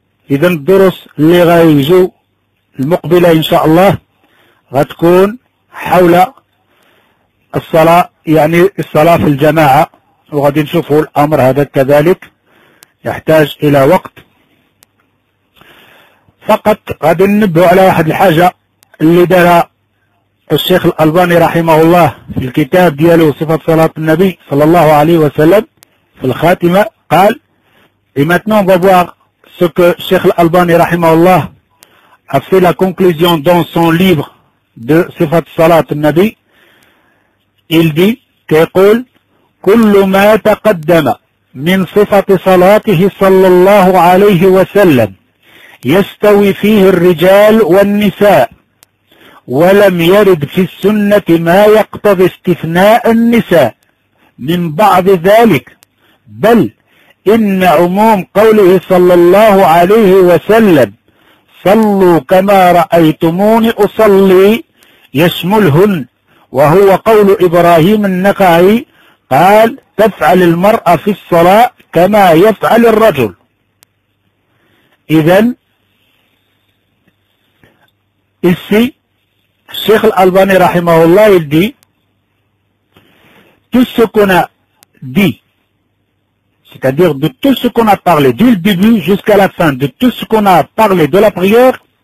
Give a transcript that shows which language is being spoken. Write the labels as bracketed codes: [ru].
[ar] اذا الدروس اللي غايجو المقبلة ان شاء الله غتكون حول الصلاة، يعني الصلاة في الجماعة، وغادي نشوفوا الامر هذا كذلك يحتاج الى وقت. فقط غادي ننبه على واحد الحاجة اللي دار الشيخ الألباني رحمه الله في الكتاب دياله صفة صلاة النبي صلى الله عليه وسلم في الخاتمة. قال [fr] maintenant on va voir ce que الشيخ الألباني رحمه الله a fait la conclusion dans son livre de صفة صلاة النبي. il dit [ar] كيقول كل ما تقدم من صفة صلاته صلى الله عليه وسلم يستوي فيه الرجال والنساء، ولم يرد في السنة ما يقتضي استثناء النساء من بعض ذلك، بل إن عموم قوله صلى الله عليه وسلم صلوا كما رأيتموني أصلي يشملهن، وهو قول إبراهيم النخعي قال تفعل المرأة في الصلاة كما يفعل الرجل. إذن [fr] ici Cheikh Al-Albani rahimahullah il dit tout ce qu'on a dit, c'est-à-dire de tout ce qu'on a parlé du début jusqu'à la fin, de tout ce qu'on a parlé de la prière,